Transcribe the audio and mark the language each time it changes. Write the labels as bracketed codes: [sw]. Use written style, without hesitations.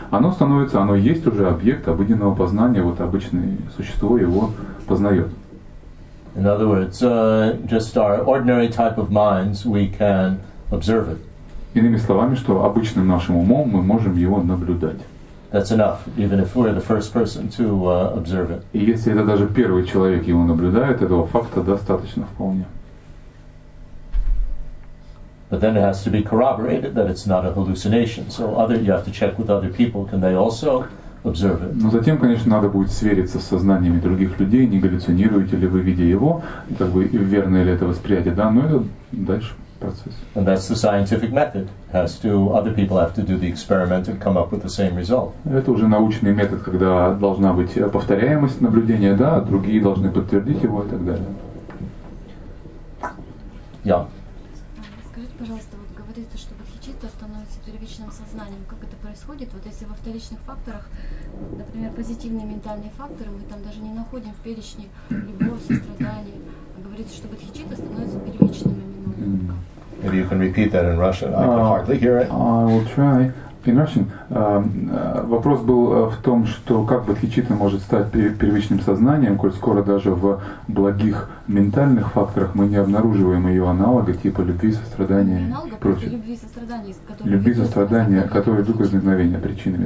[ru] Оно есть уже объект обыденного познания, вот обычное существо его познает. [en] In other words, just our ordinary type of minds, we can observe it. [ru] Иными словами, что обычным нашим умом мы можем его наблюдать. [en] That's enough, even if we're the first person to observe it. [ru] И если это даже первый человек его наблюдает, этого факта достаточно вполне. [en] But then it has to be corroborated that it's not a hallucination. So other, you have to check with other people, can they also observe it. [ru] Но затем, конечно, надо будет свериться с сознаниями других людей, не галлюцинируете ли вы, видя его, как бы верно ли это восприятие, да, но это дальше процесс. [en] And that's the scientific method. Other people have to do the experiment and come up with the same result. [ru] Это уже научный метод, когда должна быть повторяемость наблюдения, да, другие должны подтвердить его и так далее. Скажите, пожалуйста, вот говорится, что бодхичитта становится первичным сознанием. Как это происходит? Вот если во вторичных факторах, например, позитивные ментальные факторы, мы там даже не находим в перечне любовь, сострадание, а говорится, что бодхичитта становится первичным именно. [en] Maybe you can repeat that in Russian. I can hardly hear it. I will try. in Russian. [ru] Вопрос был в том, что как бодхичитта может стать первичным сознанием, коль скоро даже в благих ментальных факторах мы не обнаруживаем ее аналога, типа любви, сострадания и прочее. Любви, сострадания, любви, сострадания, которые дух возникновения причинами.